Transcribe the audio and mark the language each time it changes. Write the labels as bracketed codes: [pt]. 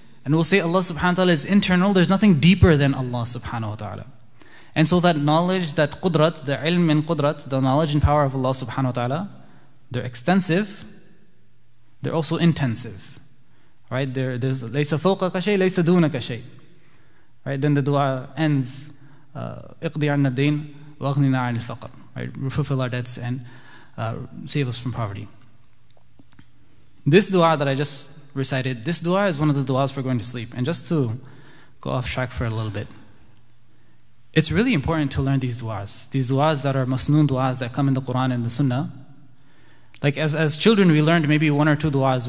[en] And we'll say Allah subhanahu wa ta'ala is internal, there's nothing deeper than Allah subhanahu wa ta'ala. And so that knowledge, that qudrat, the ilm and qudrat, the knowledge and power of Allah subhanahu wa ta'ala, they're extensive, they're also intensive. Right? There's [ar] لَيْسَ فَوْقَكَ شَيْءٍ لَيْسَ دُونَكَ شَيْءٍ. [en] Right? Then the dua ends, [ar] اقضي عنا الدين واغننا عن الفقر. [en] Right? Fulfill our debts and save us from poverty. This dua that I just recited, this dua is one of the duas for going to sleep. And just to go off track for a little bit, it's really important to learn these duas. These duas that are masnoon duas that come in the Quran and the Sunnah. Like as children, we learned maybe one or two duas.